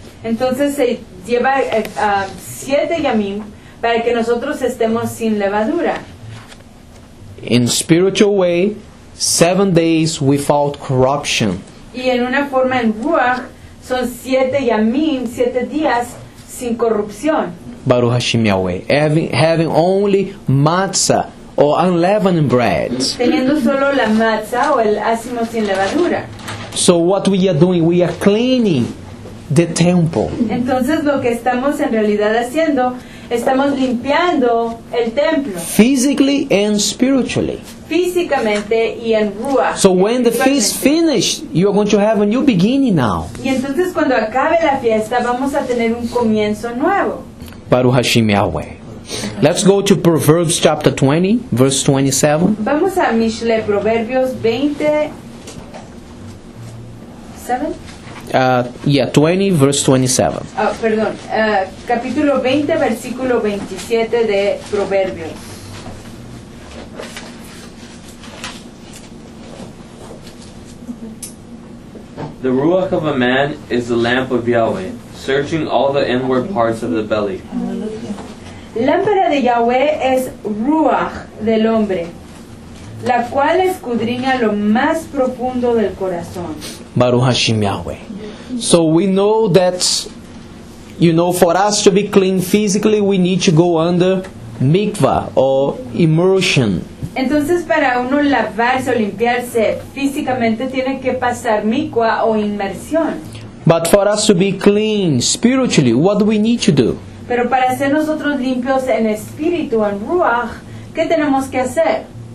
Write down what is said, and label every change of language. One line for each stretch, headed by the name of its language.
Spanish: Entonces se lleva 7 yamim para que nosotros estemos sin levadura.
English: In spiritual way, 7 days without corruption.
Spanish: Y en una forma en ruach son 7 yamim, 7 días. Sin corrupción.
Hebrew: Baruch Hashem Yahweh.
English: Having only matzah or unleavened bread.
Spanish: Teniendo solo la matzah o el ácimo sin levadura.
English: So what we are doing, we are cleaning the temple.
Spanish: Entonces lo que estamos en realidad haciendo, estamos limpiando el templo.
English: Physically and spiritually.
Spanish: Físicamente y en ruach.
English: So when the feast finished, you are going to have a new beginning now.
Spanish: Y entonces cuando acabe la fiesta, vamos a tener un comienzo nuevo.
Hebrew: Baruch Hashem Yahweh.
English: Let's go to Proverbs chapter 20, verse 27.
Spanish: Vamos a Mishle, Proverbios 20, 7.
English: Yeah, 20, verse 27.
Spanish: Oh, perdón. Capítulo 20, versículo 27 de Proverbios.
English: The ruach of a man is the lamp of Yahweh, searching all the inward parts of the belly.
Spanish: Lámpara de Yahweh es ruach del hombre, la cual escudriña lo más profundo del corazón.
Hebrew: Baruch Hashem Yahweh.
English: So we know that, you know, for us to be clean physically, we need to go under mikvah or immersion.
Spanish: Entonces, para uno lavarse o limpiarse físicamente, tiene que pasar mikvah o inmersión.
English: But for us to be clean spiritually, what do we need to do?
Spanish: Pero para ser nosotros limpios en espíritu, en ruach, ¿qué tenemos que hacer?